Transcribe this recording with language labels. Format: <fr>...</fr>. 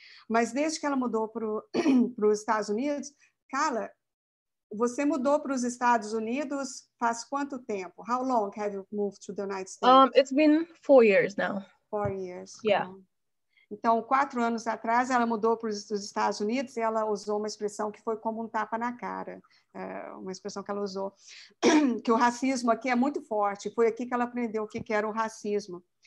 <pt>Mas desde que ela mudou para os Estados Unidos, Carla, você mudou para os Estados Unidos faz quanto tempo?</pt> <en>How long have you moved to the United States? It's been 4 years now. 4 years. Yeah.</en> <pt>Então, 4 anos atrás, ela mudou para os Estados Unidos e ela usou uma expressão que foi como um tapa na cara. Uma expressão que ela usou. Que o racismo aqui é muito forte. Foi aqui que ela aprendeu o que era o racismo.</pt>